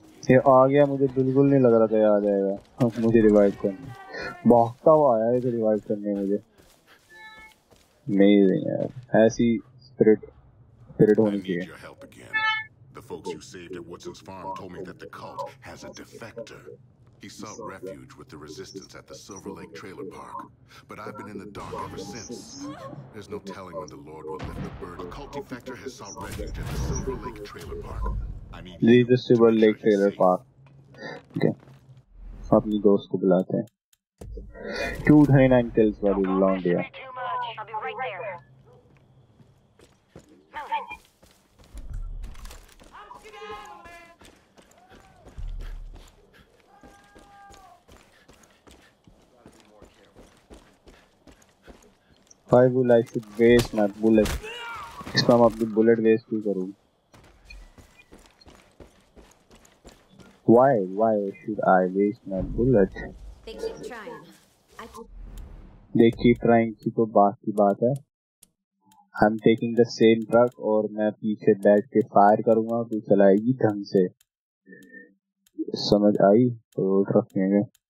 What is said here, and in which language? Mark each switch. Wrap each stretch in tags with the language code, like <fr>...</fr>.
<hi>ये आ गया मुझे बिल्कुल नहीं लग रहा था ये आ जाएगा मुझे रिवाइव करने भागता हुआ आया इसे रिवाइव करने मुझे अमेजिंग यार ऐसी स्पिरिट होनी चाहिए</hi> <en>The folks you saved at Woodson's farm told me that the cult has a defector. He sought refuge with the resistance at the Silver Lake Trailer Park. But I've been in the dark ever since. There's no telling when the Lord will lift the burden. The cult defector has sought refuge at the Silver Lake Trailer Park. I mean, leave the Silver Lake Trailer Park. Okay.</en> <hi>Apni dost ko bulate hain.</hi> <en>229 kills wali long day. Why will I should waste my bullet?</en> <hi>इस बार मैं अपनी bullet waste क्यों करूँ?</hi> <en>Why should I waste my bullet? They keep trying. They keep trying.</en> <hi>तो बात की बात है.</hi> <en>I'm taking the same truck</en> <hi>और मैं पीछे बैठ के fire करूँगा तो चलाएगी ढंग से. समझ आई? तो truck में गए.</hi>